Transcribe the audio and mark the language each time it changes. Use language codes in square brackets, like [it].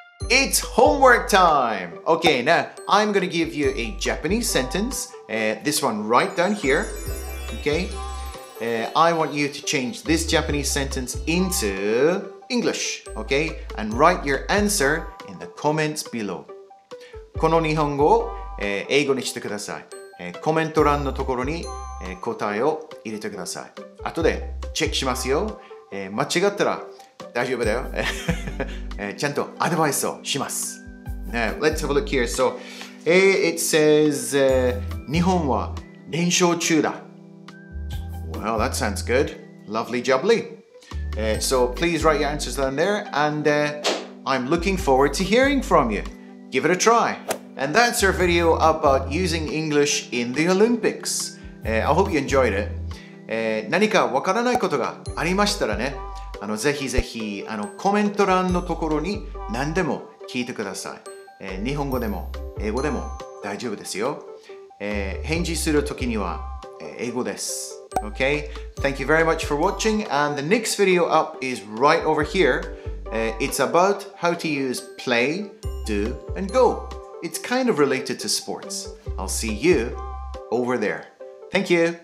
[en] It's homework time. Okay, now I'm gonna give you a Japanese sentence. This one right down here, okay? I want you to change this Japanese sentence into English, okay? And write your answer in the comments below. [ja] この日本語を英語にしてください。コメント欄のところに答えを入れてください。後でチェックしますよ。間違ったら大丈夫だよ。ちゃんとアドバイスをします。 [en] Now, let's have a look here. So, it says, [ja] 日本は連勝中だ。 [en] Well, that sounds good. Lovely jubbly. So, please write your answers down there. And I'm looking forward to hearing from you. Give it a try. And that's our video about using English in the Olympics. I hope you enjoyed it. [ja] 何かわからないことがありましたらね、ぜひぜひコメント欄のところに何でも聞いてください。日本語でも英語でも大丈夫ですよ。返事するときには英語です。 [en] Okay? Thank you very much for watching. And the next video up is right over here. It's about how to use play, do, and go. It's kind of related to sports. I'll see you over there. Thank you.